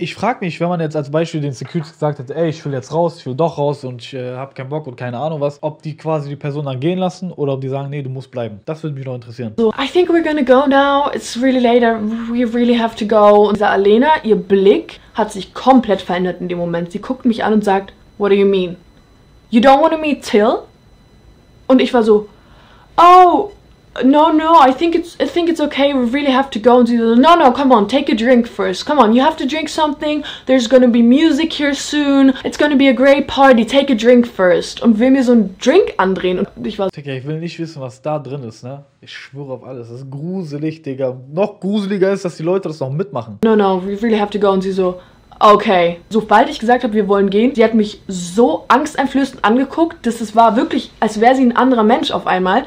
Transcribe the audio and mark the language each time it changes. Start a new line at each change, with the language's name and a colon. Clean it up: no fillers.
German: Ich frag mich, wenn man jetzt als Beispiel den Securities gesagt hätte, ey, ich will jetzt raus, ich will doch raus und ich hab keinen Bock und keine Ahnung was, ob die quasi die Person dann gehen lassen oder ob die sagen, nee, du musst bleiben. Das würde mich noch interessieren.
English: So, I think we're gonna go now. It's really late. We really have to go.
German: Und dieser Alena, ihr Blick hat sich komplett verändert in dem Moment. Sie guckt mich an und sagt,
English: what do you mean? You don't want to meet Till?
German: Und ich war so,
English: oh, no, no, I think it's okay, we really have to go.
German: Und sie so,
English: no, no, come on, take a drink first. Come on, you have to drink something. There's gonna be music here soon. It's gonna be a great party, take a drink first.
German: Und will mir so einen Drink andrehen. Und ich war so, Digga, ich will nicht wissen, was da drin ist, ne? Ich schwöre auf alles, das ist gruselig, Digga. Noch gruseliger ist, dass die Leute das noch mitmachen.
English: No, no, we really have to go.
German: Und sie so, okay. Sobald ich gesagt habe, wir wollen gehen, sie hat mich so angsteinflößend angeguckt, dass es war wirklich, als wäre sie ein anderer Mensch auf einmal.